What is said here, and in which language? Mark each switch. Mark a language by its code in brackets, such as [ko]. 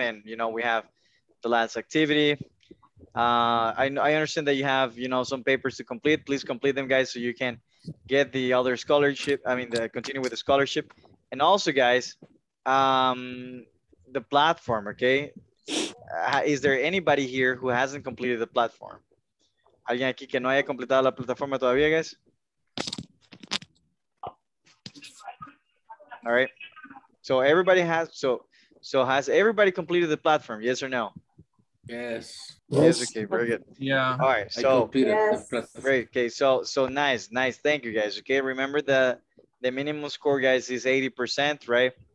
[en] And, you know, we have the last activity. I understand that you have, you know, some papers to complete. Please complete them, guys, so you can get the other scholarship. I mean, continue with the scholarship. And also, guys, the platform, okay? Is there anybody here who hasn't completed the platform? [es] ¿Alguien aquí que no haya completado la plataforma todavía, guys? [en] All right. So everybody has, so has everybody completed the platform? Yes or no? Yes. Okay, very good. Yeah. All right. So great. Okay. So nice. Thank you, guys. Okay. Remember the minimum score, guys, is 80%, right?